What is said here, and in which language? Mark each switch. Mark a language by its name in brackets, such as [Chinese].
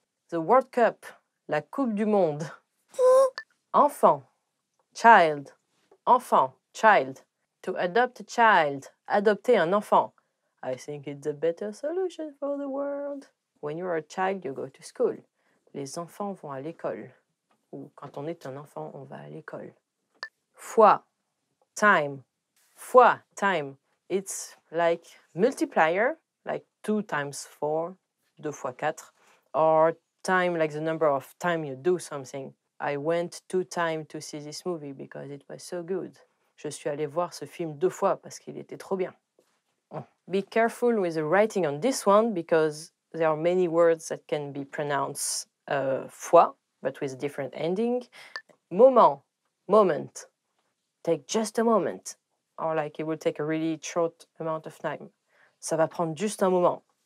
[English] The World Cup. [French] La Coupe du Monde. Enfant. Child. Enfant. Child. [English] To adopt a child. [French] Adopter un enfant. [English] I think it's a better solution for the world. When you're a child, you go to school. [French] Les enfants vont à l'école. Ou quand on est un enfant, on va à l'école. [English] Foi. Time. Foi. Time. It's like multiplier, like 2 times 4, 2 fois 4. Or time, like the number of time you do something. I went 2 times to see this movie because it was so good. [French] Je suis allé voir ce film 2 fois parce qu'il était trop bien. [English] Be careful with the writing on this one because there are many words that can be pronounced fois, but with a different ending. Moment, moment. Take just a moment. Or like it will take a really short amount of time. [French] Ça va prendre juste un moment.